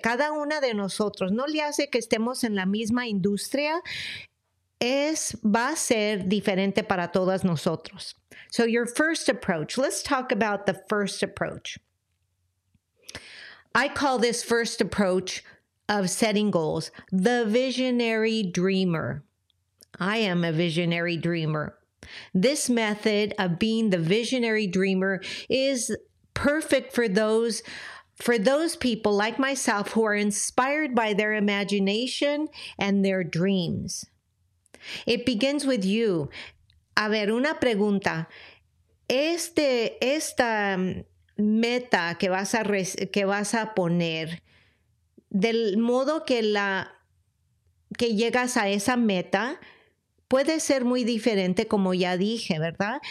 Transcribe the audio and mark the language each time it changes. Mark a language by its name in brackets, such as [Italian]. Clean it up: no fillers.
[Spanish] Cada una de nosotros, no le hace que estemos en la misma industria, va a ser diferente para todas nosotros. [English] So your first approach, let's talk about the first approach. I call this first approach of setting goals the visionary dreamer. I am a visionary dreamer. This method of being the visionary dreamer is perfect for those people like myself who are inspired by their imagination and their dreams. It begins with you. [Spanish] A ver, una pregunta. Esta meta que vas a poner, del modo que llegas a esa meta, puede ser muy diferente, como ya dije, ¿verdad?